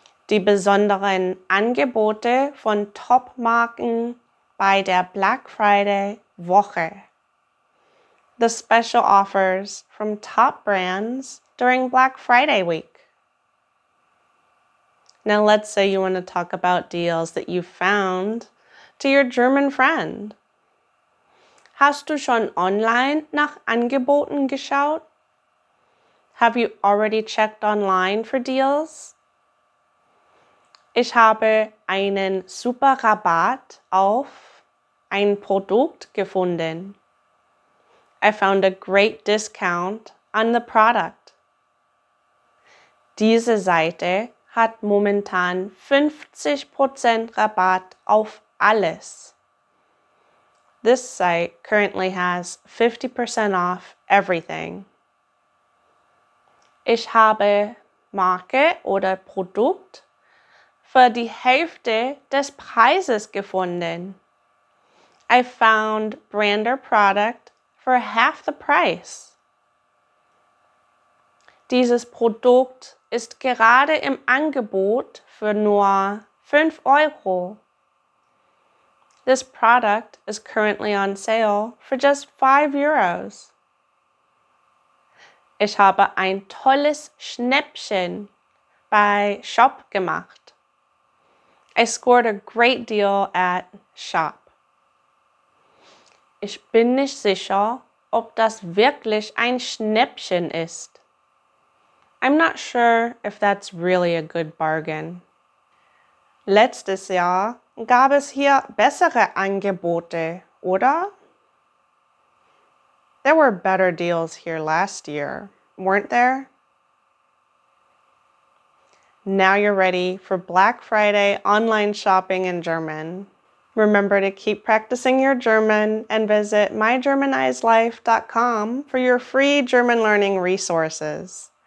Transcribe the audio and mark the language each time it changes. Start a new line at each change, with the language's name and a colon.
German: Die besonderen Angebote von Topmarken bei der Black Friday Woche.
English: The special offers from top brands during Black Friday week. Now let's say you want to talk about deals that you found to your German friend.
German: Hast du schon online nach Angeboten geschaut?
English: Have you already checked online for deals?
German: Ich habe einen super Rabatt auf ein Produkt gefunden.
English: I found a great discount on the product.
German: Diese Seite hat momentan 50% Rabatt auf alles.
English: This site currently has 50% off everything.
German: Ich habe Marke oder Produkt für die Hälfte des Preises gefunden.
English: I found brand or product for half the price.
German: Dieses Produkt ist gerade im Angebot für nur 5 Euro.
English: This product is currently on sale for just 5 euros.
German: Ich habe ein tolles Schnäppchen bei Shop gemacht.
English: I scored a great deal at Shop.
German: Ich bin nicht sicher, ob das wirklich ein Schnäppchen ist.
English: I'm not sure if that's really a good bargain.
German: Letztes Jahr gab es hier bessere Angebote, oder?
English: There were better deals here last year, weren't there? Now you're ready for Black Friday online shopping in German. Remember to keep practicing your German and visit mygermanizedlife.com for your free German learning resources.